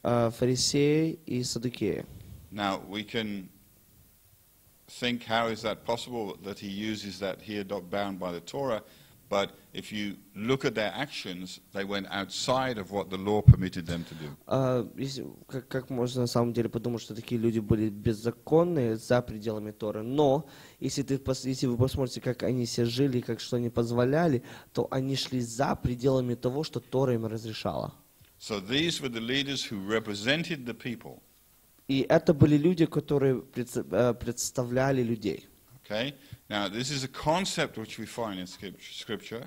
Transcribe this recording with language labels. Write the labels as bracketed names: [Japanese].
[Russian] Фарисеи и саддукеи. [English] Now, we can think, how is that possible that he uses that here, not bound by the Torah? But if you look at their actions, they went outside of what the law permitted them to do. [Russian] Как можно на самом деле подумать, что такие люди были беззаконны за пределами Торы? Но если вы посмотрите, как они все жили, как что они позволяли, то они шли за пределами того, что Тора им разрешала. [English] So these were the leaders who represented the people. [Russian] И это были люди, которые представляли людей. [English] Okay. Now this is a concept which we find in scripture.